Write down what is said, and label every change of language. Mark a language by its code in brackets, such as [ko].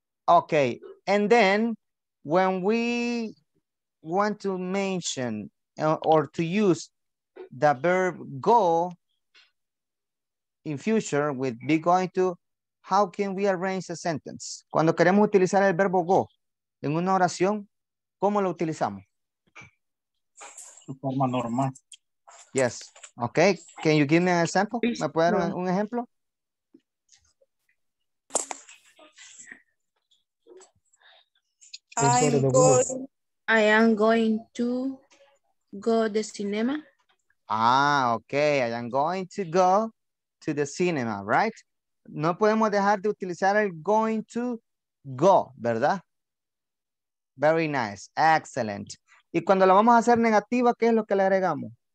[en] Ok, and then when we want to mention or to use the verb go in future with be going to, how can we arrange a sentence? [es] Cuando queremos utilizar el verbo go en una oración, ¿cómo lo utilizamos? De forma normal. [en] Yes. Ok. Can you give me an example? [es] ¿Me puede dar un ejemplo? [en] I am going to go to the cinema. Ah, ok. I am going to go to the cinema, right? [es] No podemos dejar de utilizar el going to go, ¿verdad? [en] Very nice. Excellent. [es] Y cuando la vamos a hacer negativa, ¿qué es lo que le agregamos?